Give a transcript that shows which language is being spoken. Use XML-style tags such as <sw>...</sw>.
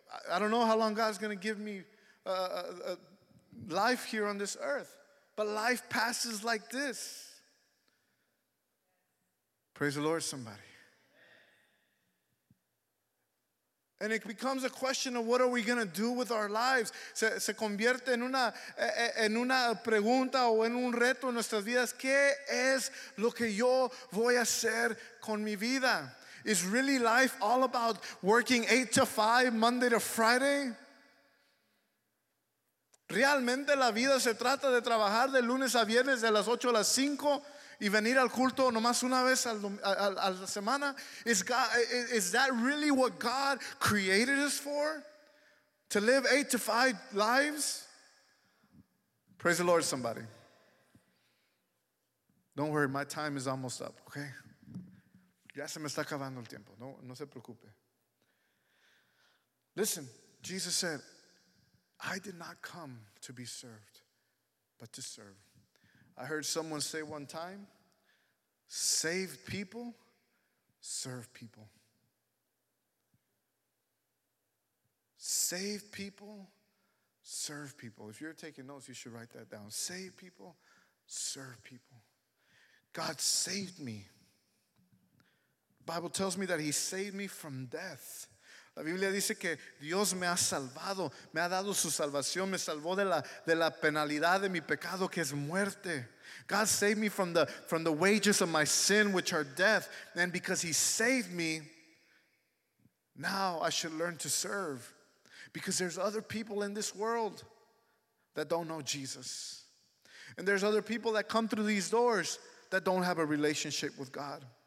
<en>I don't know how long God's going to give me life here on this earth. But life passes like this. Praise the Lord, somebody. And it becomes a question of what are we going to do with our lives.</en> <es>Se convierte en una pregunta o en un reto en nuestras vidas. ¿Qué es lo que yo voy a hacer con mi vida?</es> <en>Is really life all about working 8 to 5, Monday to Friday?</en> <es>¿Realmente la vida se trata de trabajar de lunes a viernes de las 8 a las 5 y venir al culto nomás una vez a la semana?</es> <en>Is that really what God created us for? To live 8 to 5 lives? Praise the Lord, somebody. Don't worry, my time is almost up, okay?</en> <es>Ya se me está acabando el tiempo. No, no se preocupe.</es> <en>Listen, Jesus said, I did not come to be served, but to serve. I heard someone say one time, save people, serve people. Save people, serve people. If you're taking notes, you should write that down. Save people, serve people. God saved me. Bible tells me that he saved me from death.</en> <es>La Biblia dice que Dios me ha salvado, me ha dado su salvación, me salvó de la penalidad de mi pecado que es muerte.</es> <en>God saved me from the wages of my sin, which are death. And because he saved me, now I should learn to serve. Because there's other people in this world that don't know Jesus. And there's other people that come through these doors that don't have a relationship with God.</en>